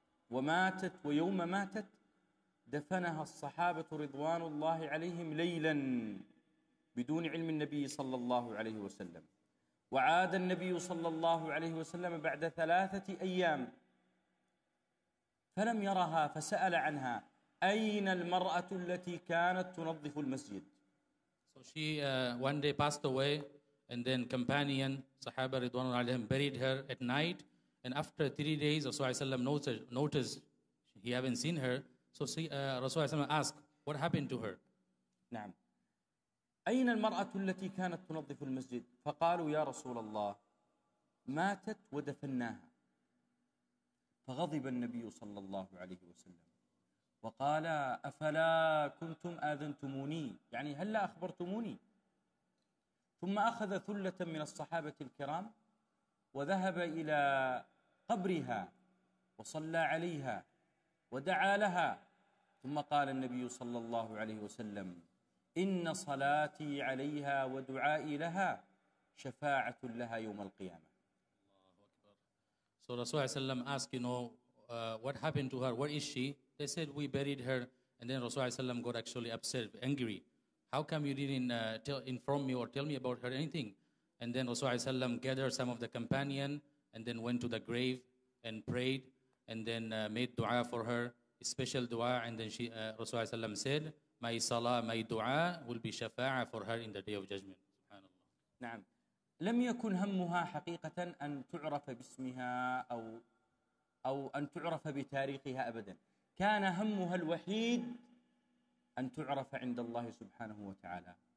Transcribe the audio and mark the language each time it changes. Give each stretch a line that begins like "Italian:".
Arabic: وماتت ويوم ماتت دفنها الصحابة رضوان الله عليهم ليلا بدون علم النبي صلى الله عليه وسلم. وعاد النبي صلى الله عليه وسلم بعد 3 أيام فلم يرها فسأل عنها أين المرأة التي كانت تنظف المسجد.
English: So she one day passed away and then companion
Arabic: صحابة رضوان الله عليهم
English: buried her at night and after 3 days Rasulullah صلى الله عليه وسلم noticed he haven't seen her. So see, Rasulullah صلى الله عليه وسلم asked, what happened to her?
Arabic: نعم. أين المرأة التي كانت تنظف المسجد؟ فقالوا يا رسول الله ماتت ودفناها. فغضب النبي صلى الله عليه وسلم وقال أفلا كنتم آذنتموني؟ يعني هل لا أخبرتموني؟ ثم أخذ ثلة من الصحابة الكرام وذهب إلى قبرها وصلى عليها ودعا لها ثم قال النبي صلى الله عليه وسلم إن صلاتي عليها ودعائي لها شفاعة لها يوم القيامة. الله أكبر.
English: So Rasulullah sallam asked, you know, what happened to her? Where is she? They said we buried her, and then Rasulullah sallam got actually upset, angry. How come you didn't inform me or tell me about her anything? And then Rasulullah sallam gathered some of the companion and then went to the grave and prayed and then made du'a for her, a special du'a, and then she Rasulullah sallam said. My salah, my dua will be shafa'a for her in the day of judgment. Subhanallah.
Arabic: نعم. لم يكن همها حقيقة أن تعرف باسمها أو أن تعرف بتاريخها أبدا. كان همها الوحيد أن تعرف عند الله سبحانه وتعالى.